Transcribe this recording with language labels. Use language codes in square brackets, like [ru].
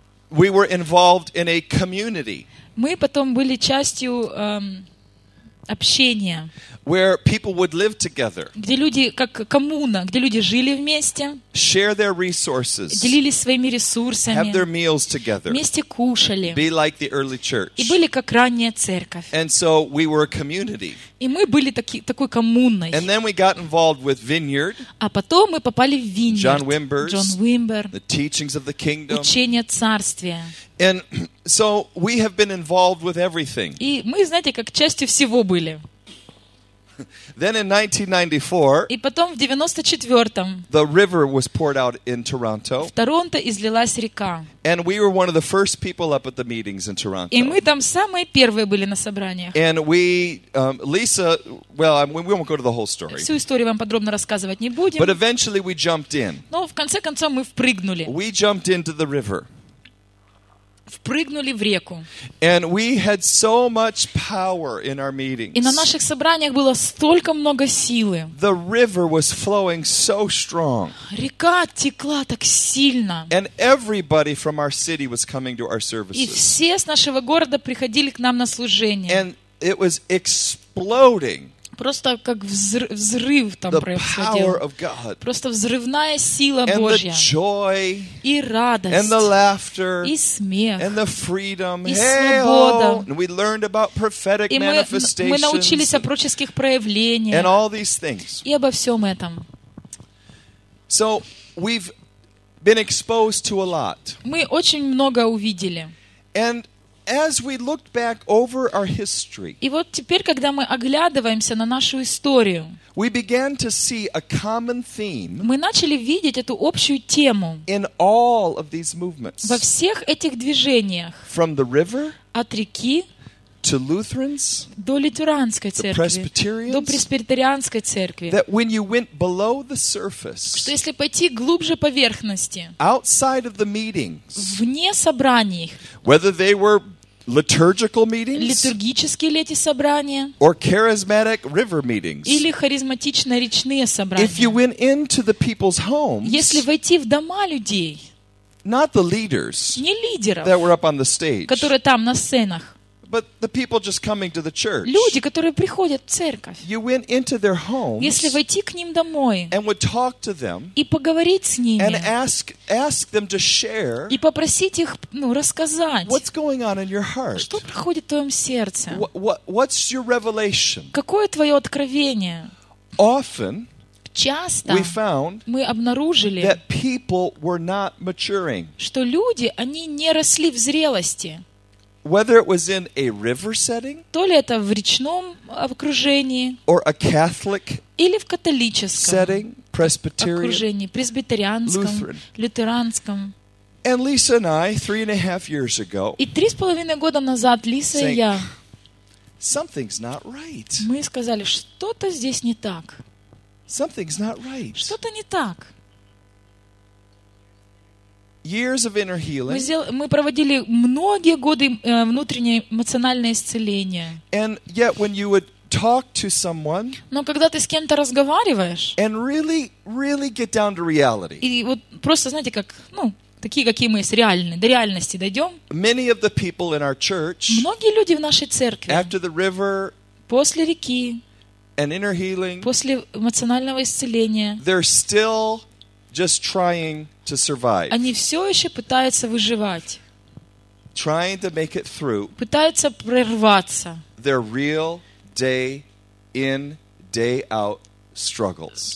[en] We were involved in a community. [ru] Мы потом были частью общения. [en] Where people would live together. [ru] Где люди как коммуна, где люди жили вместе. [en] Share their resources. [ru] Делились своими ресурсами. [en] Have their meals together. [ru] Вместе кушали. [en] Be like the early church. [ru] И были как ранняя церковь. [en] And so we were a community. [ru] И мы были такой коммуной. [en] And then we got involved with Vineyard. [ru] А потом мы попали в Vineyard. [en] John Wimber's. [ru] John Wimber. [en] The teachings of the kingdom. [ru] Учение царствия. [en] And so we have been involved with everything. [ru] И мы, знаете, как частью всего были. [en] Then in 1994. [ru] И потом в 94-м. [en] The river was poured out in Toronto. [ru] В Торонто излилась река. [en] And we were one of the first people up at the meetings in Toronto. [ru] И мы там самые первые были на собраниях. [en] And we, Lisa, well, we won't go to the whole story. [ru] Всю историю вам подробно рассказывать не будем. [en] But eventually we jumped in. [ru] Но в конце концов мы впрыгнули. [en] We jumped into the river. [ru] Впрыгнули в реку. [en] And we had so much power in our meetings. [ru] И на наших собраниях было столько много силы. [en] The river was flowing so strong. [ru] Река текла так сильно. [en] And everybody from our city was coming to our services. [ru] И все с нашего города приходили к нам на служение. [en] And it was exploding. [ru] Просто как взрыв там [en] the [ru] происходил. Просто взрывная сила [en] and [ru] Божья. [en] Joy, [ru] и радость. [en] And the laughter, [ru] и смех. [en] And the freedom, [ru] и свобода. [en] And we learned about prophetic manifestations, [ru] мы научились о пророческих проявлениях. [en] And all these things. [ru] И обо всем этом. [en] So, we've been exposed to a lot. [ru] Мы очень много увидели. [en] And as we looked back over our history, [ru] и вот теперь, когда мы оглядываемся на нашу историю, [en] we began to see a common theme, [ru] мы начали видеть эту общую тему [en] in all of these movements, [ru] во всех этих движениях, [en] from the river, [ru] от реки, [en] to Lutherans, [ru] до лютеранской церкви, [en] the Presbyterians, [ru] до пресбитерианской церкви, [en] that when you went below the surface, [ru] что если пойти глубже поверхности, [en] outside of the meetings, [ru] вне собраний, [en] whether they were liturgical meetings, [ru] литургические ли эти собрания, [en] or charismatic river meetings, [ru] или харизматичные речные собрания, [en] if you went into the people's homes, [ru] если войти в дома людей, [en] not the leaders, [ru] не лидеров, [en] that were up on the stage, [ru] которые там на сценах, [en] but the people just coming to the church. [ru] Люди, которые приходят в церковь. [en] You went into their homes. [ru] Если войти к ним домой. [en] And would talk to them. [ru] И поговорить с ними. [en] And ask them to share. [ru] И попросить их, ну, рассказать. [en] What's going on in your heart? [ru] Что происходит в твоем сердце? [en] What's your revelation? [ru] Какое твое откровение? [en] Often. [ru] Часто [en] we found [ru] мы обнаружили, [en] that people were not maturing. [ru] Что люди, они не росли в зрелости. [en] Whether it was in a river setting, [ru] то ли это в речном окружении, [en] or a Catholic [ru] или в католическом [en] setting, [ru] окружении, пресбитерианском, [en] Lutheran. [ru] Лютеранском. [en] And Lisa and I, 3.5 years ago, [ru] и 3.5 года назад Лиса [en] saying, [ru] и я, [en] something's not right. [ru] Мы сказали, что-то здесь не так. [en] Something's not right. [ru] Что-то не так. [en] Years of inner healing. [ru] Мы проводили многие годы внутреннее эмоциональное исцеление. [en] And yet, when you would talk to someone, [ru] но когда ты с кем-то разговариваешь, [en] and really, really get down to reality. [ru] И вот просто, знаете, как, ну, такие, какие мы есть, реальны, до реальности дойдем. [en] Many of the people in our church, [ru] многие люди в нашей церкви, [en] after the river, [ru] после реки, [en] and inner healing, [ru] после эмоционального исцеления, [en] they're still just trying to survive. [ru] Они все еще пытаются выживать. [en] Trying to make it through. [ru] Пытаются прорваться. [en] They're real day in, day out struggles.